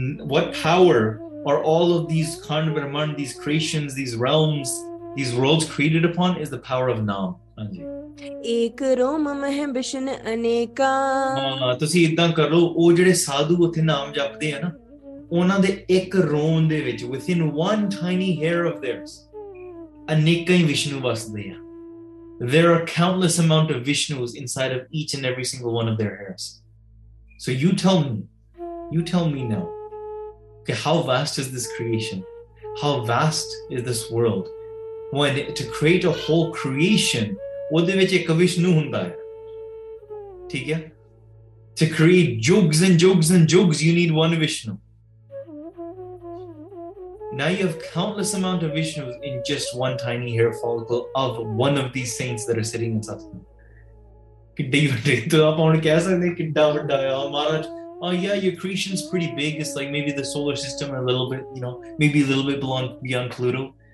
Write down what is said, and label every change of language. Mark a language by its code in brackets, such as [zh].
[en] What power or all of these khand brahmand, these creations, these realms, these worlds created upon is the power of naam. [pa] ਇਕ ਰੋਮ ਮਹਿ ਬਿਸ਼ਨ ਅਨੇਕਾ। ਹਾਂ, ਤੁਸੀਂ ਇਦਾਂ ਕਰੋ, ਉਹ ਜਿਹੜੇ ਸਾਧੂ ਉੱਥੇ ਨਾਮ ਜਪਦੇ ਆ ਨਾ, ਉਹਨਾਂ ਦੇ ਇੱਕ ਰੋਮ ਦੇ ਵਿੱਚ, [en] within one tiny hair of theirs, [pa] ਅਨੇਕਾਂ ਹੀ ਵਿਸ਼ਨੂੰ ਵਸਦੇ ਆ। [en] There are countless amount of Vishnus inside of each and every single one of their hairs. So you tell me now, okay, how vast is this creation? How vast is this world? When to create a whole creation, [pa] ਉਹਦੇ ਵਿੱਚ ਇੱਕ ਵਿਸ਼ਨੂੰ ਹੁੰਦਾ ਹੈ, ਠੀਕ ਹੈ? [en] To create jugs and jugs and jugs, you need one Vishnu. Now you have countless amount of Vishnus in just one tiny hair follicle of one of these saints that are sitting in Sachkhand. [pa] ਕਿੱਡੀ ਵੱਡੀ, ਤੂੰ ਆਪਾਂ ਹੁਣ ਕਹਿ ਸਕਦੇ ਕਿੱਡਾ ਵੱਡਾ ਆ ਮਹਾਰਾਜ? [en] Oh yeah, your creation is pretty big. It's like maybe the solar system a little bit, you know, maybe a little bit beyond Pluto.